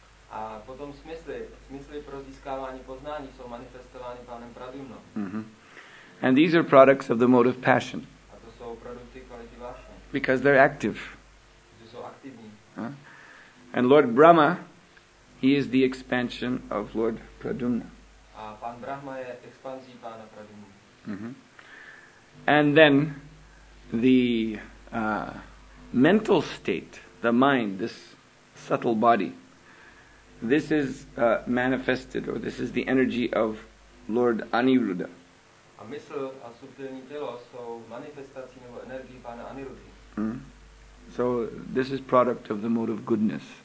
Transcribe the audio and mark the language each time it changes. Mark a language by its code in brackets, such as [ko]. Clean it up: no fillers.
[cs] A potom smysly pro získávání poznání jsou manifestovány pánem Pradyumna. [en] And these are products of the mode of passion. [cs] A to jsou produkty kvality vášně. [en] Because they're active. [cs] Že jsou aktivní. [en] And Lord Brahma, he is the expansion of Lord Pradyumna. [cs] A pan Brahma je expanzí pána Pradyumna. [en] And then the mental state, the mind, this subtle body, this is manifested, or this is the energy of Lord Aniruddha. [cs] A mysl a subtilní tělo jsou manifestací nebo energií pána Aniruddhy. [en] So this is product of the mode of goodness.